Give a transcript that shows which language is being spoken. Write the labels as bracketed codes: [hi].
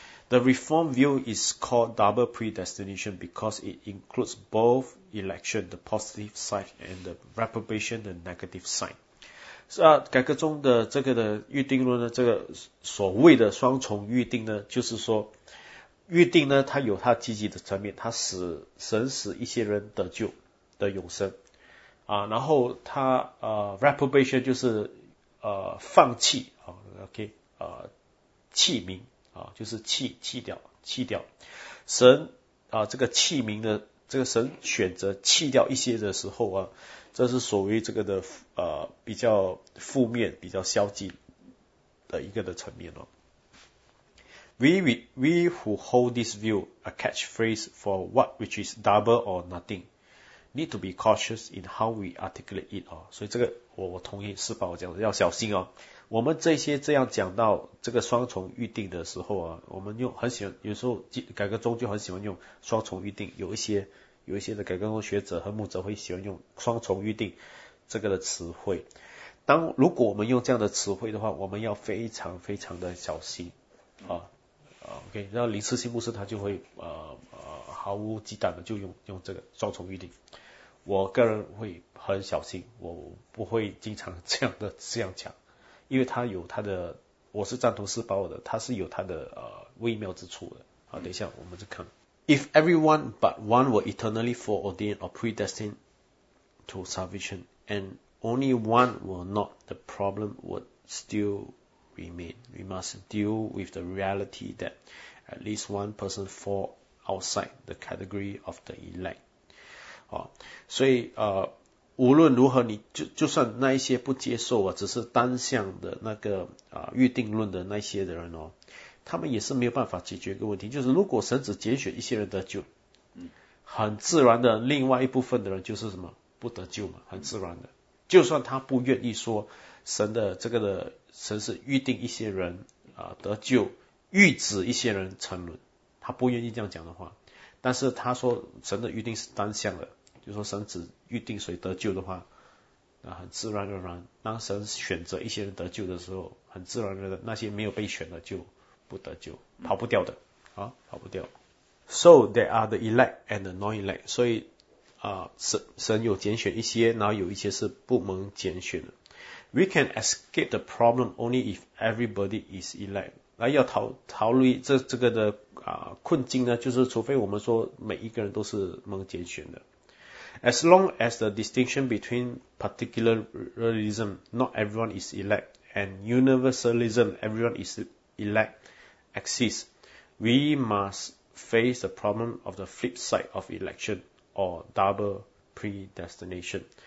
[en] The Reformed view is called double predestination because it includes both election, the positive side, and the reprobation, the negative side. [zh] 是改革中的这个的预定论呢，这个所谓的双重预定呢，就是说。预定呢，它有它积极的层面，它使神使一些人得救得永生然后它reprobation 就是放弃 OK 器皿啊，就是弃掉神啊，这个器皿的这个神选择弃掉一些的时候啊，这是所谓这个的比较负面、比较消极的一个的层面哦。 [en] We who hold this view, a catchphrase for what which is double or nothing, need to be cautious in how we articulate it 哦。 [zh] 所以这个我同意是吧？我讲的要小心哦。我们这些这样讲到这个双重预定的时候啊，我们用很喜欢，有时候改革中就很喜欢用双重预定，有一些的改革中学者和牧者会喜欢用双重预定这个的词汇。当如果我们用这样的词汇的话，我们要非常非常的小心啊。 OK， 然后林士新牧师他就会毫无忌惮的就用这个双重预定。我个人会很小心，我不会经常这样讲。因为他有他的，我是赞同施保尔的，他是有他的微妙之处的。好，等一下我们再看。 [en] If everyone but one were eternally foreordained or predestined to salvation, and only one were not, the problem would still remain. We must deal with the reality that at least one person fall outside the category of the elect. [zh] 好，所以无论如何，你就算那一些不接受啊，只是单向的那个预定论的那些的人哦，他们也是没有办法解决一个问题。就是如果神只拣选一些人得救，很自然的，另外一部分的人就是什么不得救嘛，很自然的。就算他不愿意说神的这个的神是预定一些人得救，预指一些人沉沦，他不愿意这样讲的话，但是他说神的预定是单向的。就说神只预定谁得救的话，那很自然而然，当神选择一些人得救的时候，很自然而然，那些没有被选的就不得救，跑不掉的，啊，跑不掉。 [en] So there are the elect and the non-elect. [zh] 所以，神有拣选一些，然后有一些是不蒙拣选的。 [en] We can escape the problem only if everybody is elect. [zh] 那要逃离这个的困境呢，就是除非我们说每一个人都是蒙拣选的。 [en] As long as the distinction between particularism, not everyone is elect, and universalism, everyone is elect, exists, we must face the problem of the flip side of election or double predestination.